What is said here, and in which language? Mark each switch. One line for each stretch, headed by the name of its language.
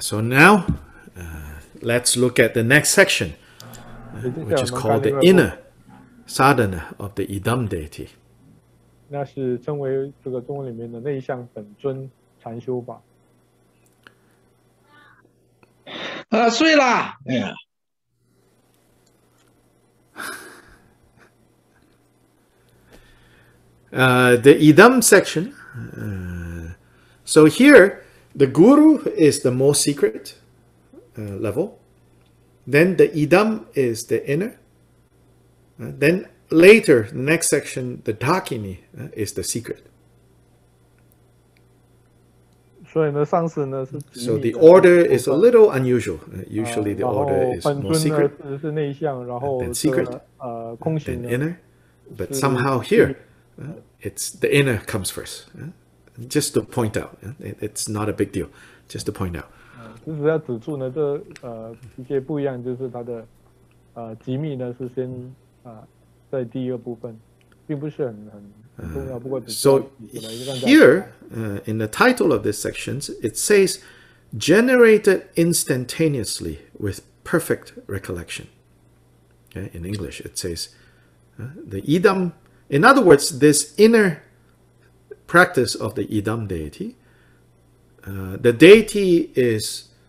English: So now, let's look at the next section, which is called the inner sadhana of the Idam deity.
Chinese: 那是称为这个中文里面的内向本尊禅修法。睡啦！
English: The Idam section. So here, the guru is the most secret level. Then the Idam is the inner. Then later, next section, the Dakini is the secret. So the order is a little unusual. Usually the order is more secret, then secret, then inner. But somehow here, it's the inner comes first. Just to point out, it's not a big deal. Just to point out.
Chinese: 就是要指出呢，这一些不一样，就是它的机密呢是先在第一个部分，并不是很重要。不过
English: ，So here in the title of this section, it says generated instantaneously with perfect recollection. Okay, in English, it says the Idam. In other words, this inner practice of the Idam deity, the deity is.